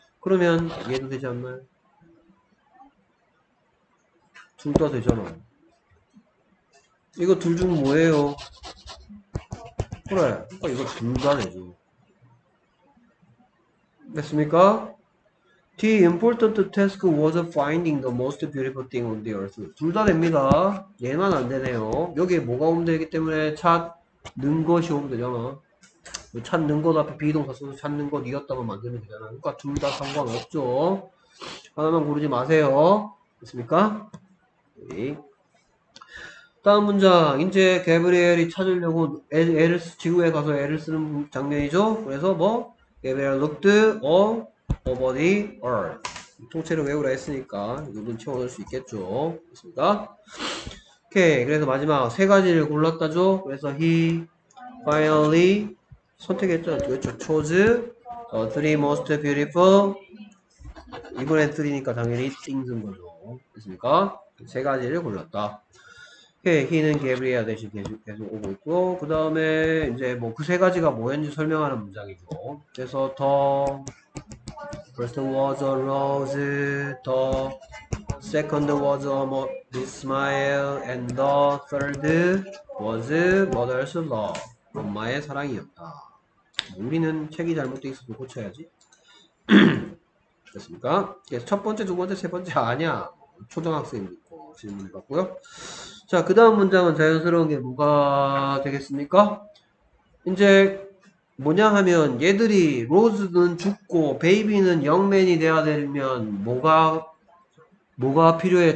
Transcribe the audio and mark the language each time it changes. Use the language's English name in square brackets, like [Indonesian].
[Korean] 그러면 얘도 되지 않나요? 둘다 되잖아. 이거 둘중 뭐예요? 그래, 그러니까 이거 중단해줘. 됐습니까? [English] The important task was finding the most beautiful thing on the earth. [Korean] 둘 다 됩니다. 얘만 안 되네요. 여기에 뭐가 오면 되기 때문에 찾는 것이 오면 되잖아. 찾는 것 앞에 비동사 써서 찾는 것 이었다고 만들면 되잖아. 그러니까 둘 다 상관없죠. 하나만 고르지 마세요. 됐습니까? 다음 문장. 이제 개브리엘이 찾으려고 애를 지구에 가서 애를 쓰는 장면이죠. 그래서 뭐? [English] 개브리엘 looked all over the earth. [Korean] 통째로 외우라 했으니까 눈 채워줄 수 있겠죠. 됐습니까? 오케이. 그래서 마지막 세 가지를 골랐다죠. 그래서 [English] he finally [Korean] 선택했죠. 그렇죠. [English] chose the three most beautiful. [Korean] 이번엔 three니까 당연히 things인 거죠. 됐습니까? 세 가지를 골랐다. 히는 게브리엘 대신 계속 오고 있고, 그 다음에 이제 뭐 그 세 가지가 뭐였는지 설명하는 문장이죠. [English] 그래서 the first was a rose, the second was a smile, and the third was mother's love. [Korean] 엄마의 사랑이었다. 우리는 책이 잘못되어 있어도 고쳐야지. 됐습니까? 그래서 첫 번째, 두 번째, 세 번째 아니야. 초등학생이 있고 질문을 받고요. 자, 그 다음 문장은 자연스러운 게 뭐가 되겠습니까? 이제 뭐냐 하면 얘들이 로즈는 죽고 베이비는 영맨이 돼야 되면 뭐가 필요해?